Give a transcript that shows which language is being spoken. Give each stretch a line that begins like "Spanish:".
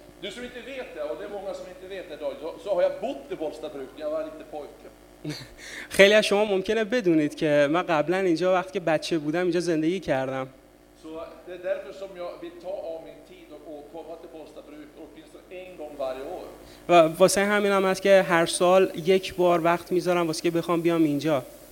Swedish: Du som inte vet det, och det är många som inte vet idag, så har jag bott i Bollstabruk när jag var lite pojke.
Persian: خیلی از شما ممکنه بدونید که من قبلا اینجا وقتی که بچه بودم اینجا زندگی کردم.
Swedish: So det är därför som jag vill ta av min tid och åka till Bollstabruk åtminstone en gång varje år.
Persian: و واسه همین هم هست که هر سال یک بار وقت میذارم واسه که بخوام بیام اینجا.